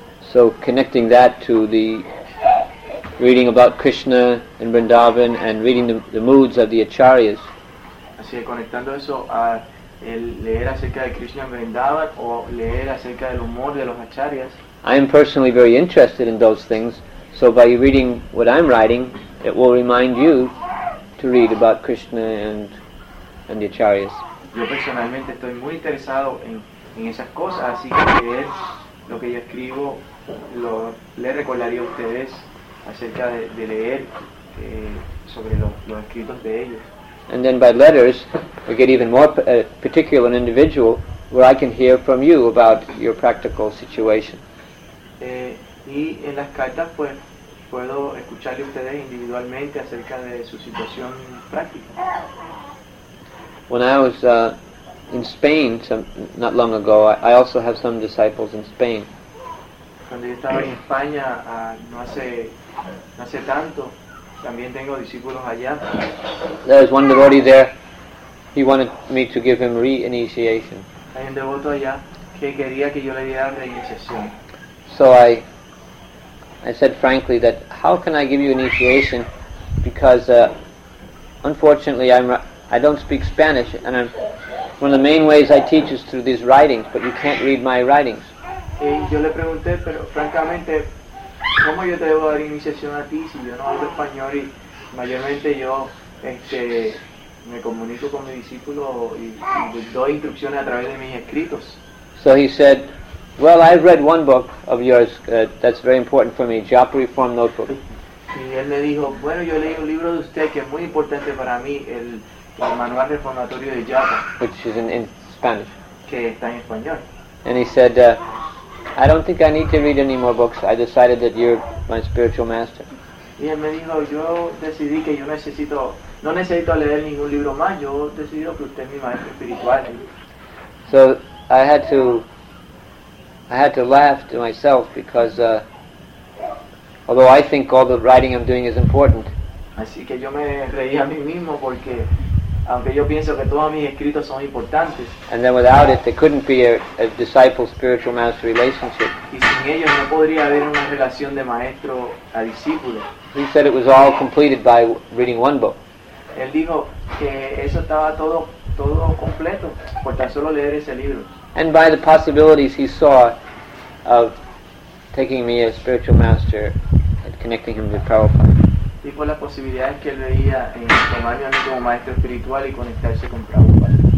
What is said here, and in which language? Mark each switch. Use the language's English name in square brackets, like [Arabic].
[English] So connecting that to the reading about Krishna and Vrindavan and reading the moods of the acharyas. [Spanish] Así que conectando eso a el leer acerca de Krishna Vrindavan o leer acerca del humor de los acharyas. [English] I am personally very interested in those things. So by reading what I'm writing, it will remind you to read about Krishna and the acharyas. [Spanish] Yo personalmente estoy muy interesado en esas cosas, así que leer lo que yo escribo le recordaría a ustedes acerca de leer sobre los escritos de ellos. [English] And then by letters, we get even more particular and individual, where I can hear from you about your practical situation. [Spanish] Y en las cartas pues puedo escucharle a ustedes individualmente acerca de su situación práctica. [English] When I was in Spain not long ago, I also have some disciples in Spain. [Spanish] cuando yo estaba en España no hace tanto, también tengo discípulos allá. [English] There was one devotee there. He wanted me to give him re-initiation. [Spanish] Hay un devoto allá que quería que yo le diera reiniciación. [English] So I said frankly that how can I give you initiation because unfortunately I don't speak Spanish and I'm one of the main ways I teach is through these writings, but you can't read my writings. [Spanish] Y yo le pregunté, pero francamente, ¿cómo yo te debo dar iniciación a ti si yo no hablo español y mayormente yo me comunico con mi discípulo y doy instrucciones a través de mis escritos? [English] So he said, well, I've read one book of yours that's very important for me, Japa Reform Notebook. [Spanish] Y él le dijo, bueno, yo leí un libro de usted que es muy importante para mí, el manual reformatorio de Japa. [English] Which is in Spanish. [Spanish] Que está en español. [English] And he said, I don't think I need to read any more books. I decided that you're my spiritual master. [Spanish] Y él me dijo, yo decidí que yo no necesito leer ningún libro más. Yo he decidido que usted es mi maestro espiritual. [English] So I had to laugh to myself because although I think all the writing I'm doing is important. [Spanish] Así que yo me reí a mí mismo porque aunque yo pienso que todos mis escritos son importantes. [English] And then without it there couldn't be a disciple spiritual master relationship. [Spanish] Y sin ellos no podría haber una relación de maestro a discípulo. [English] He said it was all completed by reading one book. [Spanish] Él dijo que eso estaba todo completo por tan solo leer ese libro. [English] And by the possibilities he saw of taking me as spiritual master and connecting him to Prabhupada. [Spanish] Y por las posibilidades que él veía en tomarme a mí como maestro espiritual y conectarse con Prabhupada.